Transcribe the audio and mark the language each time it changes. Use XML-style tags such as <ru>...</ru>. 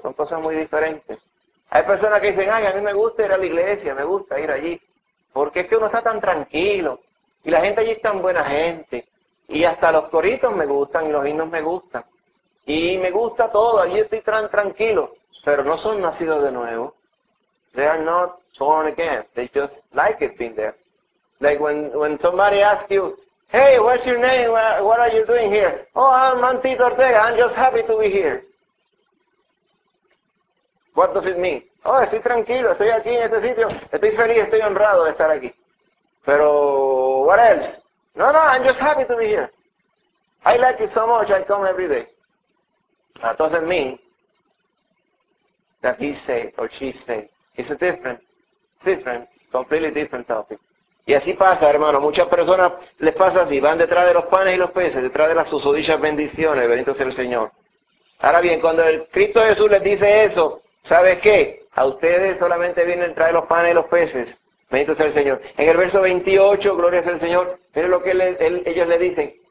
<es>Son cosas muy diferentes. Hay personas que dicen, ay, a mí me gusta ir a la iglesia, me gusta ir allí, porque es que uno está tan tranquilo, y la gente allí es tan buena gente, y hasta los coritos me gustan, y los himnos me gustan, y me gusta todo, allí estoy tranquilo, pero no son nacidos de nuevo.</es> <en>They are not born again. They just like it being there. Like when somebody asks you, hey, what's your name? What are you doing here? Oh, I'm Mantito Ortega. I'm just happy to be here. What does it mean?</en> <es>Oh, estoy tranquilo, estoy aquí en este sitio, estoy feliz, estoy honrado de estar aquí.</es> <en>Pero, what else? No, I'm just happy to be here. I like it so much, I come every day. That doesn't mean that he say or she say. It's a different, completely different topic.</en> <es>Y así pasa, hermano, muchas personas les pasa así, van detrás de los panes y los peces, detrás de las susodichas bendiciones, bendito sea el Señor. Ahora bien, cuando el Cristo Jesús les dice eso, ¿sabes qué? A ustedes solamente vienen a traer los panes y los peces. Bendito sea el Señor. En el verso 28, gloria sea el Señor, miren lo que ellos le dicen.</es>